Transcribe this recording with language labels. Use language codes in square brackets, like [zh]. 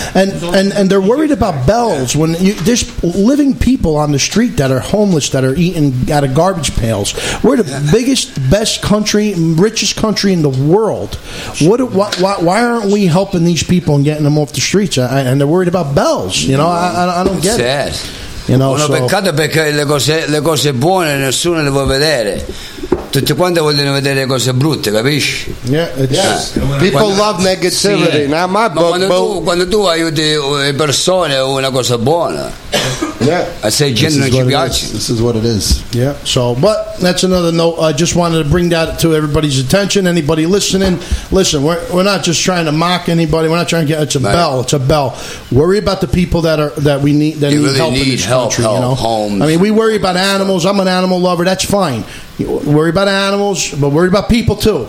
[en] And they're worried about bells when there's living people on the street that are homeless, that are eating out of garbage pails. Where the biggest, best country, richest country in the world. Why aren't we helping these people and getting them off the streets? And they're worried about bells. You know, I don't get sad. It. You know, [it] uno peccato perché le cose buone nessuno le vuole vedere. Tutti quanti vogliono vedere le cose brutte, capisci? [en] People love negativity. Now my book. [it] Quando tu aiuti le persone, è una cosa buona. [en] Yeah. I say gentlemen gibiachi. This is what it is. Yeah. So, but that's another note. I just wanted to bring that to everybody's attention. Anybody listening, listen, we're not just trying to mock anybody. We're not trying to get it's a bell. Worry about the people that need help in this country, homes. I mean, we worry about animals. I'm an animal lover. That's fine. Worry about animals, but worry about people too.